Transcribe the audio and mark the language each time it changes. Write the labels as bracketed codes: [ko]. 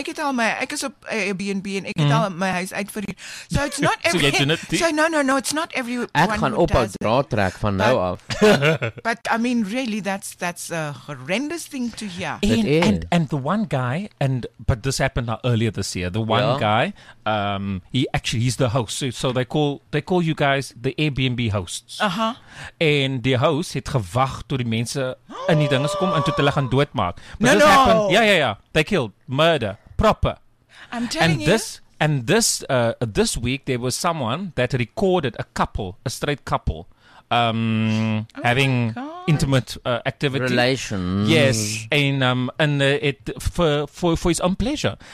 [af] Ek is op Airbnb en ik het al my huis uitverhuur. [en] So it's not every. So, it's not every. [af] Ek gaan ophou draadtrek van nou af. [en] But I mean, really, that's a horrendous thing to hear. And the one guy, but this happened earlier this year. The one guy, he's the host. So they call you guys the Airbnb hosts. Uh huh. [af] En die host het gewag tot die mense in die dinges kom en tot hulle gaan doodmaak. [en] But no, happened. Yeah. They killed. Murder. Proper. I'm telling you. And this week there was someone that recorded a couple, a straight couple, having intimate activity. Relations. Yes. And it for his own pleasure.